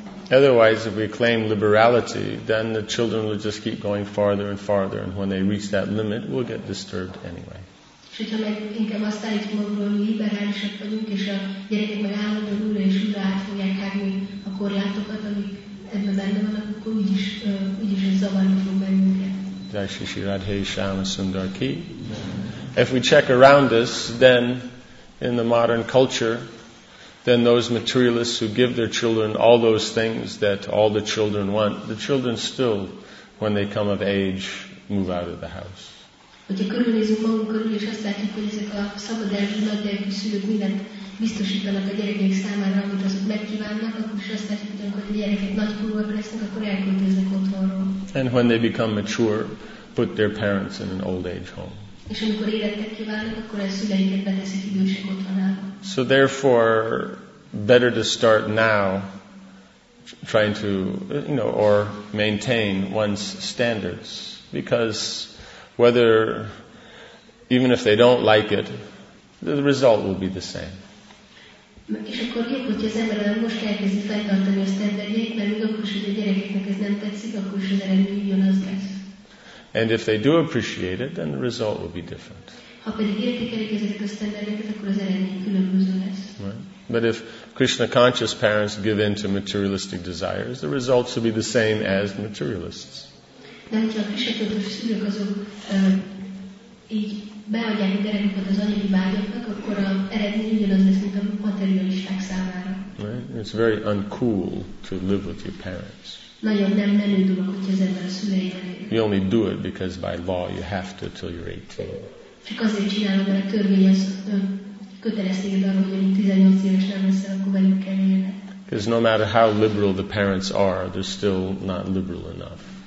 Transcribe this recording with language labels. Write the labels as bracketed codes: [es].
[en] Otherwise, if we claim liberality, then the children will just keep going farther and farther, and when they reach that limit, we'll get disturbed anyway. [hu] És hogyha meg inkább azt állítjuk magunkról, hogy liberálisak vagyunk, és a gyerekek meg állandóan újra és újra át fogják hágni a korlátokat, amik ebben benne vannak, akkor úgyis ez zavarni fog bennünket. [hi] Jai Shri Radhe Shyama Sundar Ki. [en] If we check around us, then in the modern culture, then those materialists who give their children all those things that all the children want, the children still, when they come of age, move out of the house. [hu] Hogyha körülnézünk magunk körül, és azt látjuk, hogy ezek a szabad elvű, nagy elvű szülők mindent biztosítanak a gyerekek számára, amit azok megkívánnak, akkor is azt látjuk, hogy a gyerekek nagykorúak lesznek, akkor elköltöznek otthonról. [en] And when they become mature, put their parents in an old age home. [hu] És amikor életet kívánnak, akkor a szüleiket beteszik idősek otthonába. [en] So therefore, better to start now, trying to, you know, or maintain one's standards, because whether, even if they don't like it, the result will be the same. [hu] És akkor jobb, hogy az ember most elkezdi fenntartani a standardjait, mert még akkor is, hogy a gyerekeknek ez nem tetszik, akkor is az eredmény ugyanaz lesz. [en] And if they do appreciate it, then the result will be different. [hu] Ha pedig értékelik ezeket a standardeket, akkor az eredmény különböző lesz. [en] But if Krishna conscious parents give in to materialistic desires, the results will be the same as materialists. [hu] De hogyha a kisebb szülők azok így beadják a gyerekeket az anyagi vágyaknak, akkor az eredmény ugyanaz lesz, mint a materialisták számára. [en] Right? It's very uncool to live with your parents. [hu] Nagyon nem menő dolog, hogyha az ember a szüleivel él. [en] You only do it because by law you have to till you're 18. [hu] Csak azért csinálod, mert a törvény az kötelez téged arra, hogy amíg 18 éves nem leszel, akkor velük kell élned. [en] Because no matter how liberal the parents are, they're still not liberal enough.